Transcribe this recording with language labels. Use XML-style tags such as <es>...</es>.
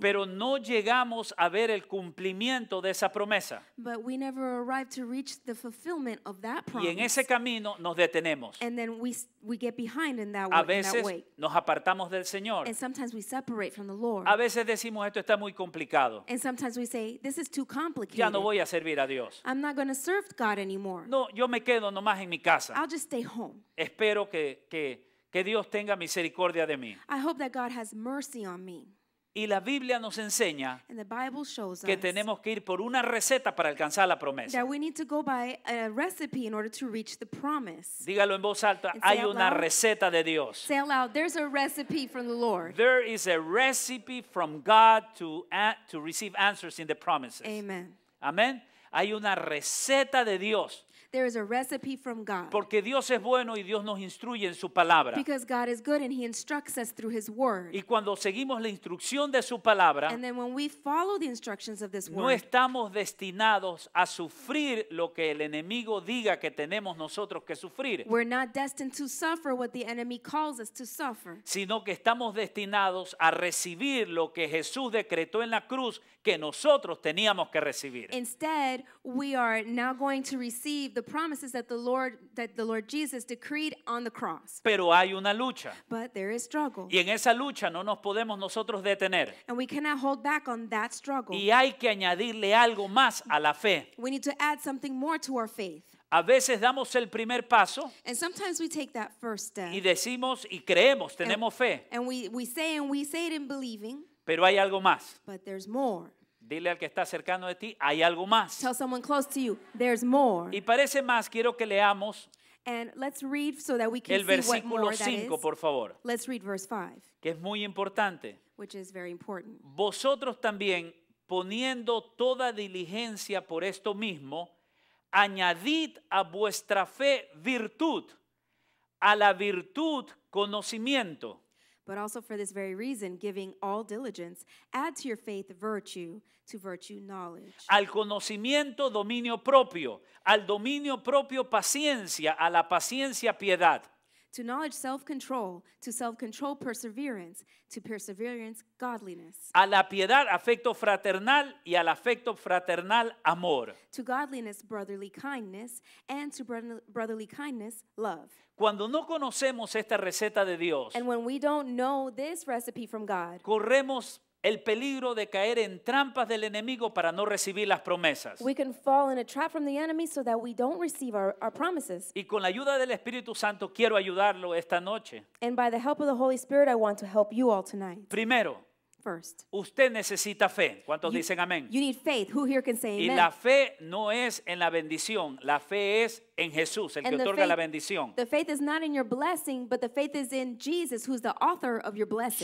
<es>Pero no llegamos a ver el cumplimiento de esa promesa.</es> <en>But we never arrive to reach the fulfillment of that promise.</en> <es>Y en ese camino nos detenemos.</es> <en>And then we get behind in that way.</en> <es>A veces nos apartamos del Señor.</es> <en>And sometimes we separate from the Lord.</en> <es>A veces decimos esto está muy complicado.</es> <en>And sometimes we say this is too complicated.</en> <es>Ya no voy a servir a Dios.</es> <en>I'm not going to served God anymore.</en> <es>No, yo me quedo nomás en mi casa.</es> <en>I'll just stay home.</en> <es>Espero que Dios tenga misericordia de mí.</es> <en>I hope that God has mercy on me.</en> <es>Y la Biblia nos enseña que tenemos que ir por una receta para alcanzar la promesa.</es> <en>That we need to go by a recipe in order to reach the promise.</en> <es>Dígalo en voz alta, hay una receta de Dios.</es> <en>Say aloud, there's a recipe from the Lord. There is a recipe from God to receive answers in the promises. Amen.</en> <es>Amén. Hay una receta de Dios.</es> <en>There is a recipe from God.</en> <es>Porque Dios es bueno y Dios nos instruye en su palabra.</es> <en>Because God is good and he instructs us through his word.</en> <es>Y cuando seguimos la instrucción de su palabra,</es> <en>and then when we follow the instructions of this word,</en> <es>no estamos destinados a sufrir lo que el enemigo diga que tenemos nosotros que sufrir.</es> <en>We're not destined to suffer what the enemy calls us to suffer.</en> <es>Sino que estamos destinados a recibir lo que Jesús decretó en la cruz que nosotros teníamos que recibir.</es> <en>Instead, we are now going to receive the promises that the Lord Jesus decreed on the cross.</en> <es>Pero hay una lucha.</es> <en>But there is struggle.</en> <es>Y en esa lucha no nos podemos nosotros detener.</es> <en>And we cannot hold back on that struggle.</en> <es>Y hay que añadirle algo más a la fe.</es> <en>We need to add something more to our faith.</en> <es>A veces damos el primer paso.</es> <en>And sometimes we take that first step.</en> <es>Y decimos y creemos, tenemos</es> <en>and,</en> <es>fe.</es> <en>And we say it in believing.</en> <es>Pero hay algo más.</es> <en>But there's more.</en> <es>Dile al que está cercano de ti, hay algo más.</es> <en>Tell someone close to you, there's more.</en> <es>Y parece más, quiero que leamos.</es> <en>And let's read so that we can</en> <es>el versículo 5, por favor.</es> <en>Let's read verse 5.</en> <es>Que es muy importante.</es> <en>Which is very important.</en> <es>Vosotros también, poniendo toda diligencia por esto mismo, añadid a vuestra fe virtud, a la virtud conocimiento.</es> <en>But also for this very reason, giving all diligence, add to your faith virtue, to virtue knowledge.</en> <es>Al conocimiento dominio propio, al dominio propio paciencia, a la paciencia piedad.</es> <en>To knowledge self-control, to self-control perseverance, to perseverance godliness.</en> <es>A la piedad afecto fraternal y al afecto fraternal amor.</es> <en>To godliness brotherly kindness and to brotherly kindness love.</en> <es>Cuando no conocemos esta receta de Dios,</es> <en>and when we don't know this recipe from God,</en> <es>corremos el peligro de caer en trampas del enemigo para no recibir las promesas.</es> <en>We can fall in a trap from the enemy so that we don't receive our promises.</en> <es>Y con la ayuda del Espíritu Santo quiero ayudarlo esta noche.</es> <en>And by the help of the Holy Spirit I want to help you all tonight.</en> <es>Primero,</es> <en>first,</en> <es>usted necesita fe. ¿Cuántos dicen amén?</es> <en>You need faith. Who here can say amen?</en> <es>Y la fe no es en la bendición, la fe es en Jesús, el</es> <en>and</en> <es>que otorga la bendición.</es> <en>The faith is not in your blessing, but the faith is in Jesus, who's the author of your blessing.</en>